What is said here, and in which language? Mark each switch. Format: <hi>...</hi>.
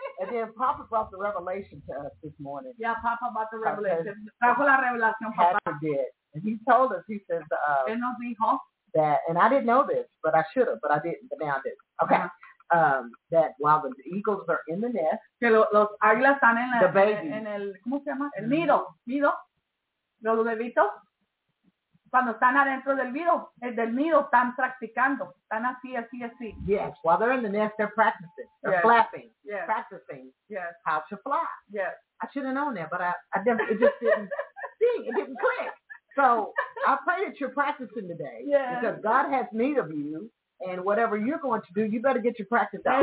<en>And then Papa brought the revelation to us this morning. Yeah, Papa brought the revelation.</en> <es>Trajo la revelación, Papa.</es> <en>Pastor did. And he told us, he says, that, and I didn't know this, but I should have, but I didn't, but now I did. Okay. Uh-huh. That while the eagles are in the nest,</en> <es>que los águilas están en la,</es> <en>the baby,</en> <es>en el, ¿cómo se llama? El nido, los bebitos, cuando están adentro del nido, están practicando, están así.</es> <en>Yes, while they're in the nest, they're practicing, they're yes. flapping, yes. practicing yes. how to fly. Yes. I should have known that, but it didn't click. So I pray that you're practicing today yes. because God has need of you. And whatever you're going to do, you better get your practice out.</en>